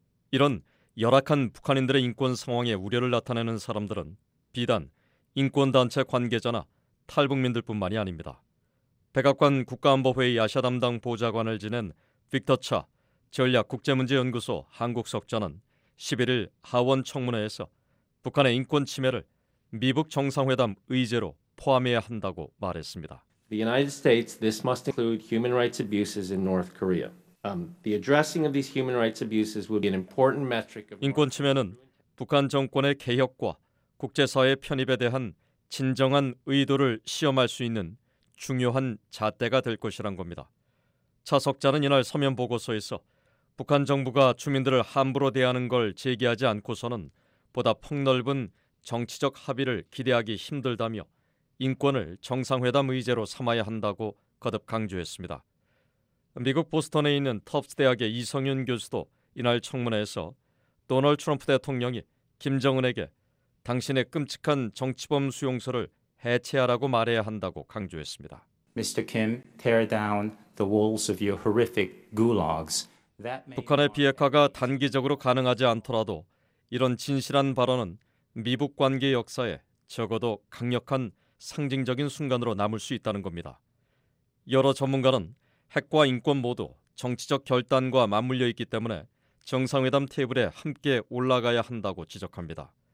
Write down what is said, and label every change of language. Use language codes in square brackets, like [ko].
[ko] 이런 열악한 북한인들의 인권 상황에 우려를 나타내는 사람들은 비단 인권단체 관계자나 탈북민들뿐만이 아닙니다. 백악관 국가안보회의 아시아 담당 보좌관을 지낸 빅터 차 전략국제문제연구소 한국석좌는 11일 하원 청문회에서 북한의 인권 침해를 미북 정상회담 의제로 포함해야 한다고 말했습니다. [en] The United States, this must include human rights abuses in North Korea. The addressing of these human rights abuses will be an important metric of [ko] 인권 침해는 북한 정권의 개혁과 국제사회 편입에 대한 진정한 의도를 시험할 수 있는 중요한 잣대가 될 것이란 겁니다. 차석자는 이날 서면 보고서에서 북한 정부가 주민들을 함부로 대하는 걸 제기하지 않고서는 보다 폭넓은 정치적 합의를 기대하기 힘들다며 인권을 정상회담 의제로 삼아야 한다고 거듭 강조했습니다. 미국 보스턴에 있는 터프스 대학의 이성윤 교수도 이날 청문회에서 도널드 트럼프 대통령이 김정은에게 당신의 끔찍한 정치범 수용소를 해체하라고 말해야 한다고 강조했습니다. [en] Mr. Kim, tear down the walls of your horrific gulags. [ko] 북한의 비핵화가 단기적으로 가능하지 않더라도 이런 진실한 발언은 미북 관계 역사에 적어도 강력한 상징적인 순간으로 남을 수 있다는 겁니다. 여러 전문가는 핵과 인권 모두 정치적 결단과 맞물려 있기 때문에 정상회담 테이블에 함께 올라가야 한다고 지적합니다.